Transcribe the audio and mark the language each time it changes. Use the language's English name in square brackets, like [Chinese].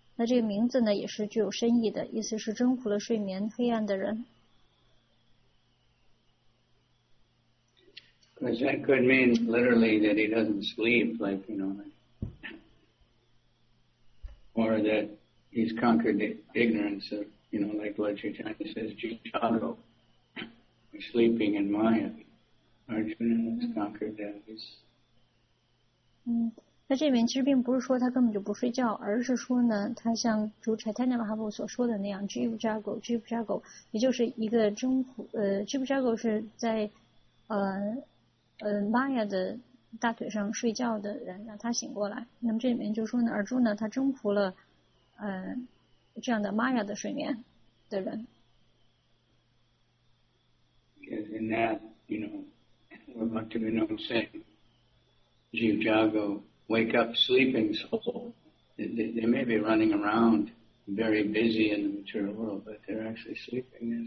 [Chinese] 那这个名字呢，也是具有深意的，意思是征服了睡眠黑暗的人。 [English] Because that could mean literally that he doesn't sleep, like you know, or that he's conquered the ignorance of, you know, like Lord Chaitanya says, Jitago, sleeping in Maya. Arjuna has conquered that. He's. [Chinese] 那这里面其实并不是说他根本就不睡觉，而是说呢，他像主 Chaitanya Mahaprabhu 所说的那样 Jiva Jago， 也就是一个征服，Jiva Jago 是在玛雅的大腿上睡觉的人让他醒过来。那么这里面就说呢，尔朱呢他征服了这样的玛雅的睡眠的人。 [English] Because in that, you know, we want to be known saying, Jivjago, wake up sleeping soul. They may be running around very busy in the material world, but they're actually sleeping.